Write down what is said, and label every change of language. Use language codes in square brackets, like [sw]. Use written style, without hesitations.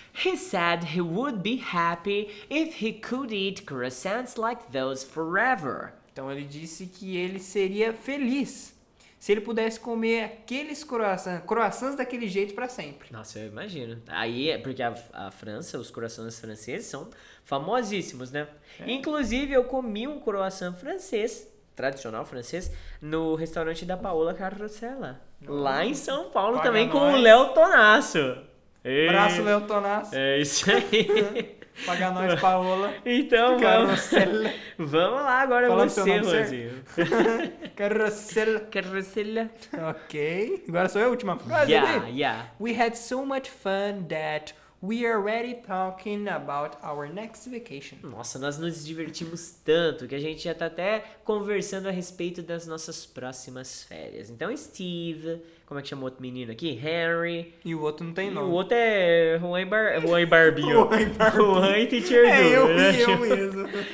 [en] He said he would be happy if he could eat croissants like those forever. [pt] Então ele disse que ele seria feliz se ele pudesse comer aqueles croissants daquele jeito pra sempre. Nossa, eu imagino. Aí é porque a França, os croissants franceses são famosíssimos, né? Inclusive eu comi um croissant francês, tradicional francês, no restaurante da Paola Carrossela. Lá em São Paulo Paga também nós. Com o Léo Tonasso. Braço Léo Tonasso. É isso aí. Paga nós, Paola. Então, Carrossela. Vamos lá, agora é você, Rosinho. Carrossela. Carrossela. Ok. Agora sou eu, a última frase. [en] We had so much fun that we are already talking about our next vacation. [pt] Nossa, nós nos divertimos tanto que a gente já tá até conversando a respeito das nossas próximas férias. Então, Steve, como é que chama o outro menino aqui? Harry. E o outro não tem nome. O outro é Juan Barbinho. Juan e Teacher Du. Eu mesmo.